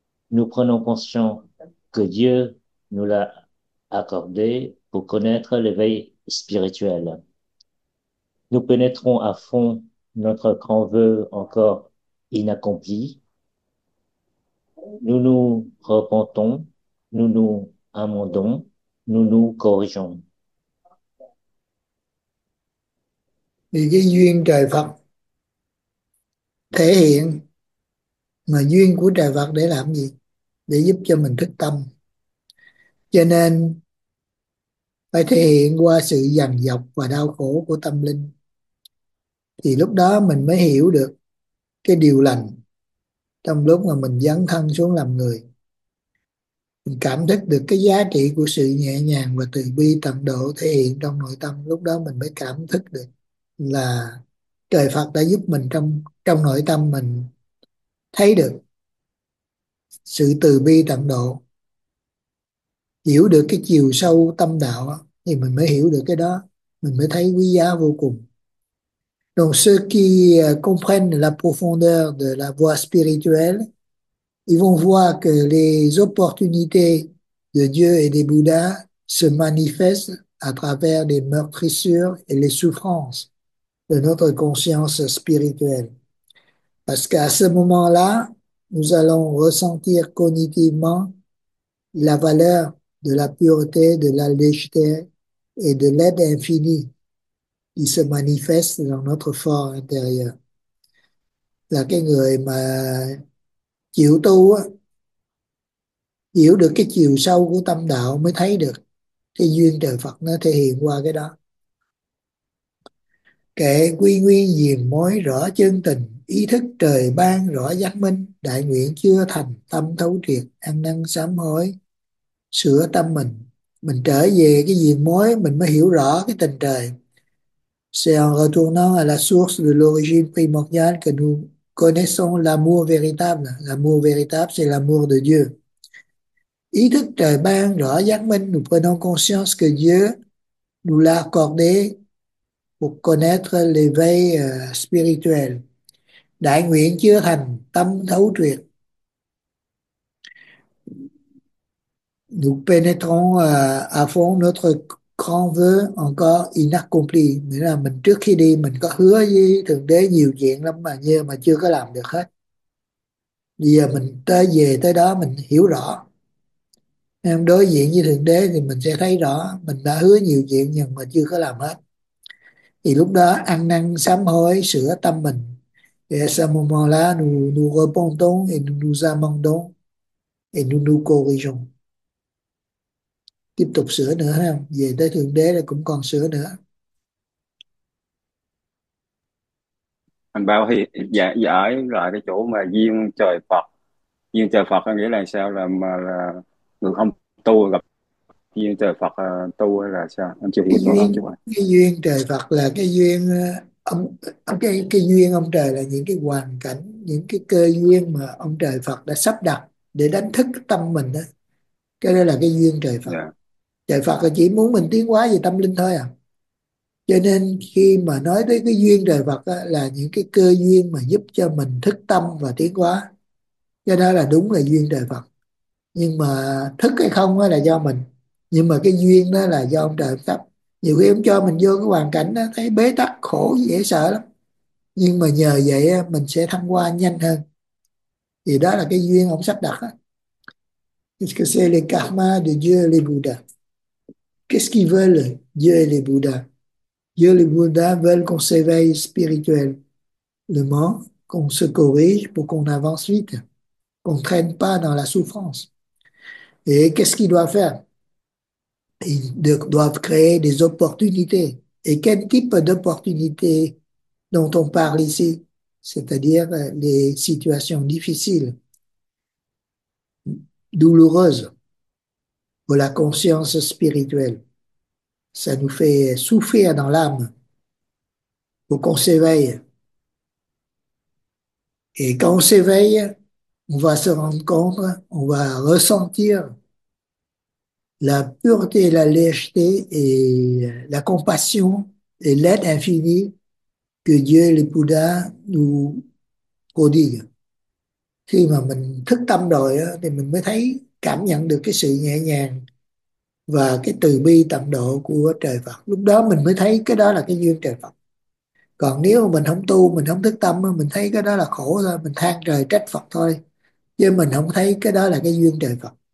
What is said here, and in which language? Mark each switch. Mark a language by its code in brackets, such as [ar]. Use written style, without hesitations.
[fr] Nous prenons conscience que Dieu nous l'a accordé pour connaître l'éveil spirituel. Nous pénétrons à fond notre grand vœu encore inaccompli. Nous nous repentons, nous nous amendons, nous nous corrigeons. [vi] Vì cái duyên trời Phật thể hiện, mà duyên của trời Phật để làm gì? Để giúp cho mình thức tâm. Cho nên phải thể hiện qua sự dằn vặt và đau khổ của tâm linh. Thì lúc đó mình mới hiểu được cái điều lành trong lúc mà mình dấn thân xuống làm người. Mình cảm thức được cái giá trị của sự nhẹ nhàng và từ bi tận độ thể hiện trong nội tâm. Lúc đó mình mới cảm thức được là trời Phật đã giúp mình trong trong nội tâm mình thấy được sự từ bi tận độ, hiểu được cái chiều sâu tâm đạo đó, thì mình mới hiểu được cái đó, mình mới thấy quý giá vô cùng. [fr] Donc ceux qui comprennent la profondeur de la voie spirituelle, ils vont voir que les opportunités de Dieu et des Bouddhas se manifestent à travers les meurtrissures et les souffrances de notre conscience spirituelle. Parce qu'à ce moment-là, nous allons ressentir cognitivement la valeur de la pureté, de la légèreté et de l'aide infinie qui se manifeste dans notre fort intérieur. [vi] Là cái người mà chịu tu, hiểu được cái chiều sâu của tâm đạo mới thấy được cái duyên trời Phật nó thể hiện qua cái đó. Kệ quy nguyên diềm mối rõ chân tình, ý thức trời ban rõ giác minh, đại nguyện chưa thành tâm thấu triệt, ăn năn sám hối, sửa tâm mình trở về cái diềm mối, mình mới hiểu rõ cái tình trời. [fr] C'est en retournant à la source de l'origine primordiale que nous connaissons l'amour véritable. L'amour véritable, c'est l'amour de Dieu. [vi] Ý thức trời ban rõ giác minh, [fr] nous prenons conscience que Dieu nous l'a accordé pour connaître l'éveil spirituel. [vi] Đại nguyện chưa thành tâm thấu triệt. [fr] Nous pénétrons à fond notre grand vœu encore inaccompli. [vi] Nghĩa là mình trước khi đi mình có hứa với Thượng Đế nhiều chuyện lắm mà như mà chưa có làm được hết. Bây giờ mình tới về tới đó mình hiểu rõ. Em đối diện với Thượng Đế thì mình sẽ thấy rõ mình đã hứa nhiều chuyện nhưng mà chưa có làm hết. Thì lúc đó ăn năn sám hối sửa tâm mình. [fr] Et à ce moment-là, nous repentons et nous amendons et nous corrigeons. [vi] Tiếp tục sửa nữa ha, về tới Thượng Đế là cũng còn sửa nữa. Anh Bảo thì giải giải lại cái chỗ mà duyên trời Phật. Duyên trời Phật có nghĩa là sao, là mà là người không tu gặp duyên trời Phật tu hay là sao? Anh chưa hiểu Cái chỗ đó chứ duyên, bạn. cái duyên trời Phật là cái duyên ông, cái duyên ông trời là những cái hoàn cảnh, những cái cơ duyên mà ông trời Phật đã sắp đặt để đánh thức tâm mình đó. Cái đó là cái duyên trời Phật. Trời Phật là chỉ muốn mình tiến hóa về tâm linh thôi à. Cho nên khi mà nói tới cái duyên trời Phật đó, là những cái cơ duyên mà giúp cho mình thức tâm và tiến hóa. Cái đó là đúng là duyên trời Phật. Nhưng mà thức hay không là do mình. Nhưng mà cái duyên đó là do ông trời sắp. Nhiều khi ông cho mình vô cái hoàn cảnh đó, thấy bế tắc khổ dễ sợ lắm, nhưng mà nhờ vậy mình sẽ thăng hoa nhanh hơn, thì đó là cái duyên ông sắp đặt. [fr] Qu'est-ce que c'est le karma de Dieu et les Bouddhas? Qu'est-ce qu'ils veulent, Dieu et les Bouddhas? Dieu et les Bouddhas veulent qu'on s'éveille spirituellement, qu'on se corrige pour qu'on avance vite, qu'on ne traîne pas dans la souffrance. Et qu'est-ce qu'ils doivent faire? Ils doivent créer des opportunités. Et quel type d'opportunités dont on parle ici? C'est-à-dire les situations difficiles, douloureuses pour la conscience spirituelle. Ça nous fait souffrir dans l'âme pour qu'on s'éveille. Et quand on s'éveille, on va se rendre compte, on va ressentir la pureté, la légèreté et la compassion et l'aide infinie Que Jeli Buddha cô đi. [vi] Khi mà mình thức tâm rồi á, thì mình mới thấy cảm nhận được cái sự nhẹ nhàng và cái từ bi tận độ của trời Phật. Lúc đó mình mới thấy cái đó là cái duyên trời Phật. Còn nếu mà mình không tu, mình không thức tâm, mình thấy cái đó là khổ thôi, mình than trời trách Phật thôi, chứ mình không thấy cái đó là cái duyên trời Phật.